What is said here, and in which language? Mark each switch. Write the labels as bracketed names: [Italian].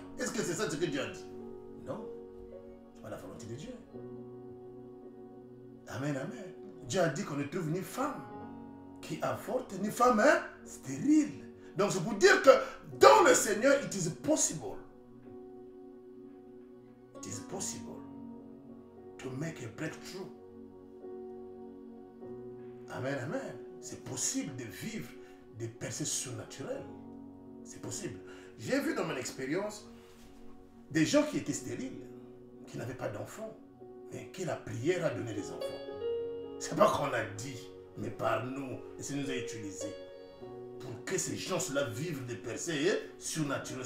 [French] Est-ce que c'est ça ce que Dieu a dit? Non. C'est pas la volonté de Dieu. Amen, amen. Dieu a dit qu'on ne trouve ni femme qui avorte, ni femme hein, stérile. Donc c'est pour dire que dans le Seigneur, [English] it is possible. It is possible to make a breakthrough. [French] Amen, amen. C'est possible de vivre des percées surnaturelles. C'est possible. J'ai vu dans mon expérience des gens qui étaient stériles, qui n'avaient pas d'enfants, mais qui la prière a donné des enfants. C'est pas qu'on a dit, mais par nous, et ça nous a utilisé pour que ces gens-là vivent des percées surnaturelles.